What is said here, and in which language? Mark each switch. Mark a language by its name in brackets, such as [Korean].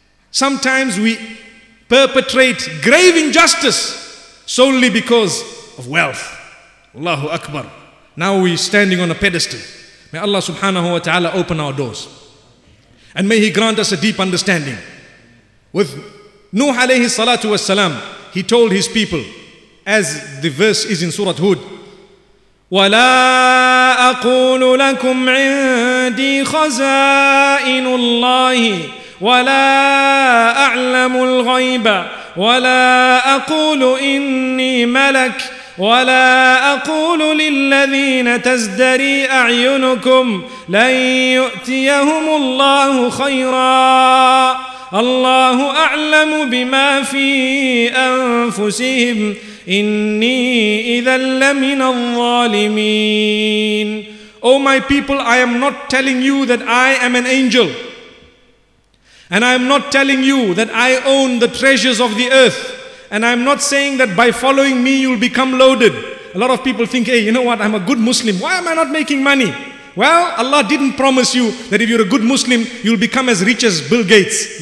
[English] Sometimes we perpetrate grave injustice solely because of wealth. Allahu Akbar. Now we're standing on a pedestal. May Allah subhanahu wa ta'ala open our doors. And may He grant us a deep understanding. With Nuh alayhi salatu wassalam, he told his people, as the verse is in Surah Hud, [Arabic] وَلَا أَقُولُ لَكُمْ عِنْدِي خَزَائِنُ اللَّهِ وَلَا أَعْلَمُ الْغَيْبَ وَلَا أَقُولُ إِنِّي مَلَكٌ ولا أقول للذين تزدري أعينكم لن يؤتيهم الله خيرا الله أعلم بما في أنفسهم إني إذا لمن الظالمين. [English] Oh my people, I am not telling you that I am an angel, and I am not telling you that I own the treasures of the earth. And I'm not saying that by following me, you'll become loaded. A lot of people think, hey, you know what? I'm a good Muslim. Why am I not making money? Well, Allah didn't promise you that if you're a good Muslim, you'll become as rich as Bill Gates.